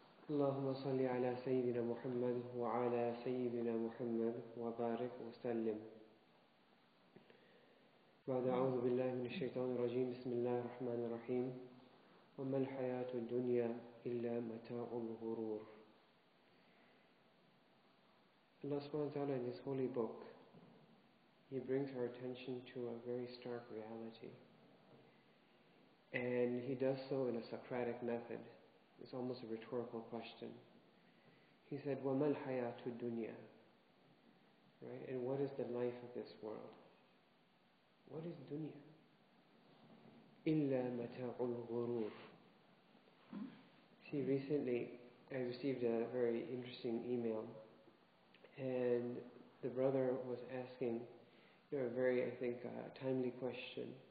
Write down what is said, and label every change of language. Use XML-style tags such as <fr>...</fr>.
<ar>اللهم صل على سيدنا محمد وعلى سيدنا محمد وبارك وسلم. بعد، أعوذ بالله من الشيطان الرجيم. بسم الله الرحمن الرحيم. وما الحياة الدنيا إلا متاع الغرور.</ar> <en>Allah subhanahu wa ta'ala in His holy book, He brings our attention to a very stark reality. And He does so in a Socratic method. It's almost a rhetorical question. He said,</en> <ar>وَمَا الْحَيَاةُ الدُّنْيَا?</ar> <en>Right? And what is the life of this world? What is dunya?</en> <ar>إِلَّا مَتَاعُ الْغُرُورِ.</ar> <en>See, recently I received a very interesting email, and the brother was asking a very, I think, timely question.</en>